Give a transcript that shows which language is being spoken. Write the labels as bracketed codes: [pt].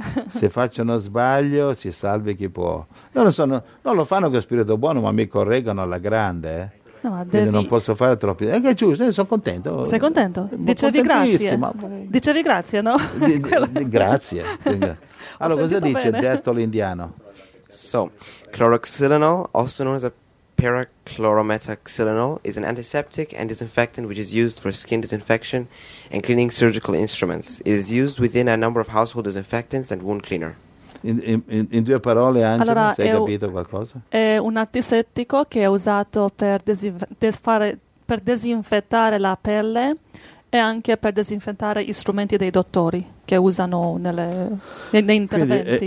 [it] Se faccio uno sbaglio, si salvi chi può. Non lo fanno con spirito buono, ma mi correggono alla grande. No, ma devi... Non posso fare troppi. È giusto, sono contento. Sei contento? Dicevi grazie. Dicevi grazie, no? Grazie. Allora, cosa dice detto l'indiano? [en] So, chloroxylenol, also known as a perachlorometoxylenol, is an antiseptic and disinfectant which is used for skin disinfection and cleaning surgical instruments. It is used within a number of household disinfectants and wound cleaner. [it] In due parole, Angela, allora, hai capito qualcosa? È un antisettico che è usato per disinfettare la pelle e anche per disinfettare gli strumenti dei dottori che usano nei interventi.